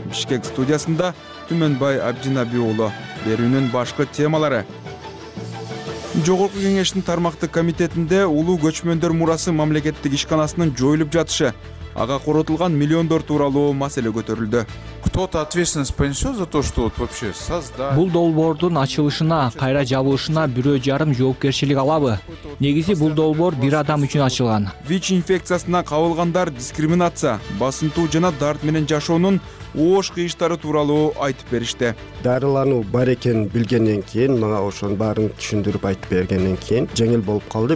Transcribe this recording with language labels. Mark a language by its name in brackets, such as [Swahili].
[Kyrgyz] Бишкек студиясында Түмөнбай Абдинаби уулу. Берүүнүн башкы темалары. Жогорку кеңештин тармактык комитетинде улуу көчмөндөр мурасы мамлекеттик ишканасынын жоюлуп жатышы, ага коротулган миллиондор тууралуу маселе көтөрүлдү. [Russian] Кто-то ответственность понесет за то, что вообще создать? [Kyrgyz] Бул долбоордун ачылышына, кайра жабылышына бирөө жарым жоопкерчилик алабы. Негизи бул долбоор бир адам үчүн ачылган. ВИЧ инфекциясына кабылгандар дискриминация, басынтуу жана дарт менен жашоонун ош кыйыштары тууралуу айтып беришти. Дарылануу бар экенин билгенден кийин, мага ошонун баарын түшүндүрүп айтып бергенден кийин жеңил болуп калды.